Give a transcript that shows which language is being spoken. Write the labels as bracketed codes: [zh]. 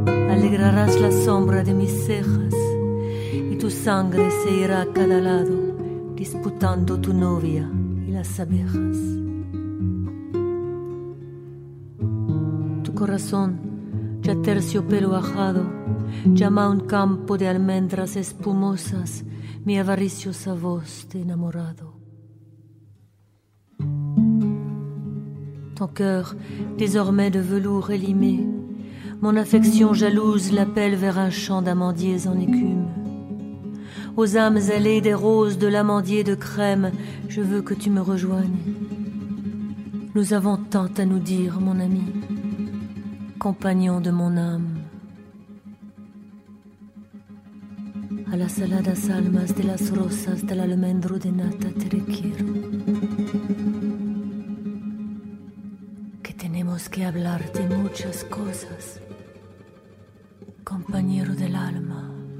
[es] Alegrarás la sombra de mis cejas y tu sangre se irá a cada lado disputando tu novia y las abejas. Corazón, ya terciopelo ajado, llama a un campo de almendras espumosas mi avariciosa voz de enamorado. [fr] Ton cœur, désormais de velours élimé, mon affection jalouse l'appelle vers un champ d'amandiers en écume. Aux âmes ailées des roses de l'amandier de crème, je veux que tu me rejoignes. Nous avons tant à nous dire, mon ami, compagnon de mon âme. [es] A las saladas almas de las rosas del almendro de nata te requiero. Que tenemos que hablar de muchas cosas, compañero del alma.